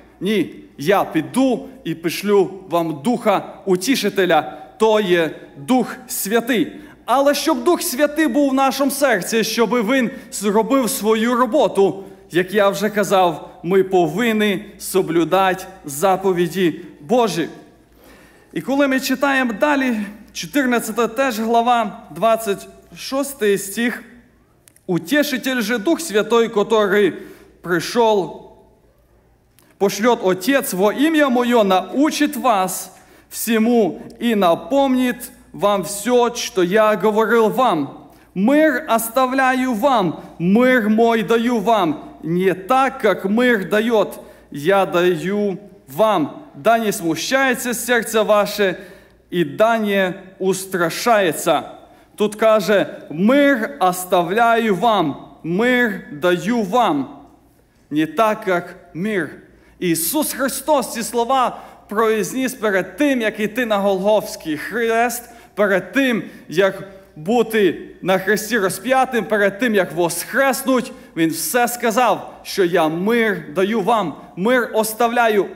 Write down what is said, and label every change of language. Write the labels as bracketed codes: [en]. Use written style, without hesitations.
[uk] Ні, я піду і пішлю вам Духа Утішителя. То є Дух Святий. Але щоб Дух Святий був в нашому серці, щоб він зробив свою роботу, як я вже казав, ми повинні соблюдати заповіді Божі. І коли ми читаємо далі, 14 теж глава, 26 стих, [ru] «Утешитель же Дух Святой, который пришел, пошлет Отец во имя Мое, научит вас всему и напомнит вам все, что я говорил вам. Мир оставляю вам, мир мой даю вам, не так, как мир дает, я даю вам. Да не смущается сердце ваше, и да не устрашается». [uk] Тут каже, [ru] мир оставляю вам, мир даю вам, не так, как мир. [uk] Ісус Христос ці слова произніс перед тим, як йти на Голгофський хрест, перед тим, як бути на хресті розп'ятим, перед тим, як воскреснуть. Він все сказав, що я мир даю вам, мир оставляю.